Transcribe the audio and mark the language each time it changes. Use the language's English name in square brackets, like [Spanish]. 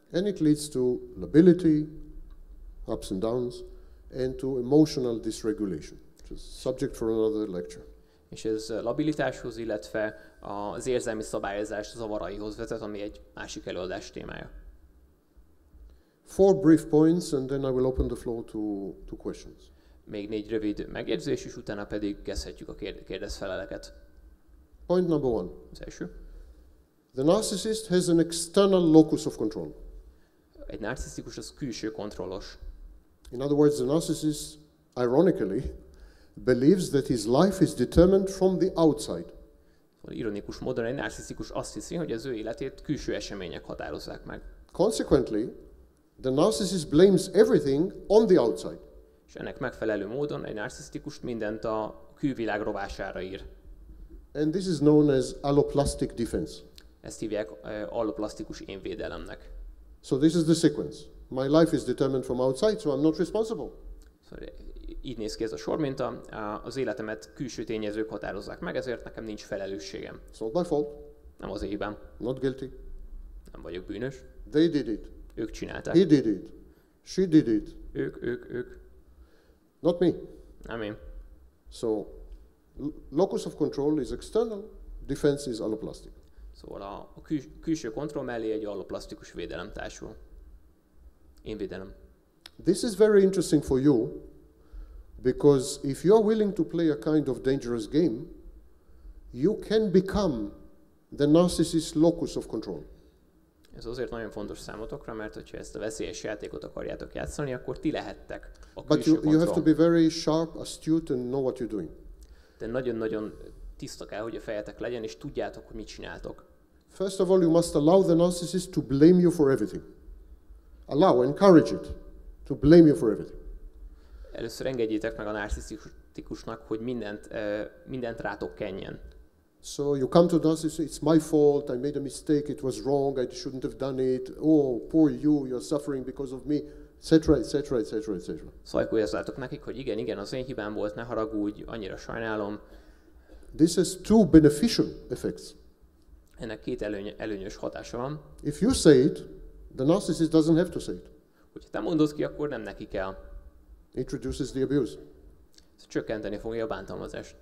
[English] And it leads to lability, ups and downs, and to emotional dysregulation, which is subject for another lecture. [Hungarian] És ez labilitáshoz, illetve az érzelmi szabályozás zavaraihoz vezet, ami egy másik előadás témája. [English] Four brief points, and then I will open the floor to questions. [Hungarian] Még négy rövid megjegyzés, és utána pedig kezdhetjük a kérdezfeleleket. [English] Point number one. [Hungarian] Az első. [English] The narcissist has an external locus of control. [Hungarian] Egy narcisztikus az külső kontrollos. [English] In other words, the narcissist, ironically, believes that his life is determined from the outside. [Hungarian] Ironikus módon egy narcisztikus azt hiszi, hogy az ő életét külső események határozzák meg. [English] Consequently, the narcissist blames everything on the outside. [Hungarian] És ennek megfelelő módon egy narcisztikust mindent a külvilág rovására ír. [English] And this is known as alloplastic defense. [Hungarian] Ezt hívják alloplastikus énvédelemnek. [English] So this is the sequence. My life is determined from outside, so I'm not responsible. [Hungarian] Így néz ki ez a sorminta. Az életemet külső tényezők határozzák meg, ezért nekem nincs felelősségem. [English] It's not my fault. [Hungarian] Nem az éhibám. [English] Not guilty. [Hungarian] Nem vagyok bűnös. [English] They did it. [Hungarian] Ők csinálták. [English] He did it. She did it. [Hungarian] Ők. [English] Not me. [Hungarian] Nem én. [English] So, locus of control is external, defense is alloplastic. [Hungarian] Szóval a külső kontroll mellé egy alloplastikus védelem társul. Én védelem. [English] This is very interesting for you, because if you are willing to play a kind of dangerous game, you can become the narcissist's locus of control. [Hungarian] Ez azért nagyon fontos számotokra, mert hogyha ezt a veszélyes játékot akarjátok játszani, akkor ti lehettek a külső kontroll. [English] But you have to be very sharp, astute, and know what you're doing. [Hungarian] De nagyon-nagyon tiszta kell, hogy a fejetek legyen, és tudjátok, hogy mit csináltok. [English] First of all, you must allow the narcissist to blame you for everything. Allow, encourage it to blame you for everything. [Hungarian] Először engedjétek meg a narcisztikusnak, hogy mindent rátok kenjen. [English] So you come to the narcissist, it's my fault, I made a mistake, it was wrong, I shouldn't have done it, oh, poor you, you're suffering because of me, etc., etc., etc., etc. [Hungarian] Szajkujázzátok nekik, hogy igen, az én hibám volt, ne haragudj, annyira sajnálom. [English] This has two beneficial effects. [Hungarian] Ennek két előnyös hatása van. [English] If you say it, the narcissist doesn't have to say it. [Hungarian] Hogyha te mondod ki, akkor nem neki kell. [English] It reduces the abuse. [Hungarian] Csökkenteni fogja a bántalmazást.